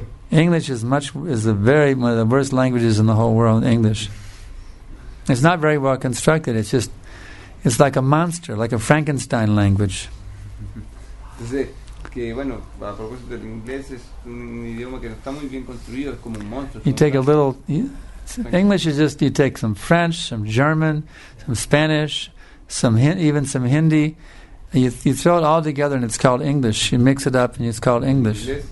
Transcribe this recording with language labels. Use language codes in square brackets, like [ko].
[en] English is one of the worst languages in the whole world, English. It's not very well constructed. It's like a monster, like a Frankenstein language. [es] Entonces, que bueno, a propósito del inglés, es un idioma que no está muy bien construido, es como un monstruo. [en] You take a little... English is just, you take some French, some German, some Spanish, even some Hindi, and you throw it all together and it's called English. You mix it up and it's called English.